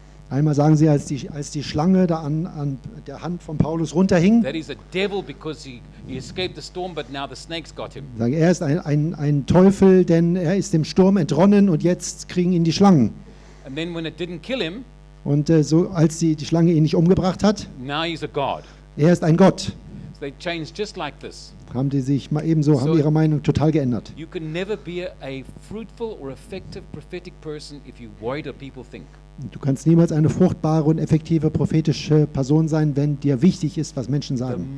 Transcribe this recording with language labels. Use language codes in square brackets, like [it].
[de] Einmal sagen sie, als die Schlange da an der Hand von Paulus runterhing, er ist ein Teufel, denn er ist dem Sturm entronnen und jetzt kriegen ihn die Schlangen. [en] And then when it didn't kill him, [de] und so, als die Schlange ihn nicht umgebracht hat, [en] now he's a God. [de] Er ist ein Gott. [en] They changed just like this. [de] Haben die sich mal ebenso, haben ihre Meinung total geändert. [en] You can never be a fruitful or effective prophetic person if you worry what people think. [de] Du kannst niemals eine fruchtbare und effektive prophetische Person sein, wenn dir wichtig ist, was Menschen sagen.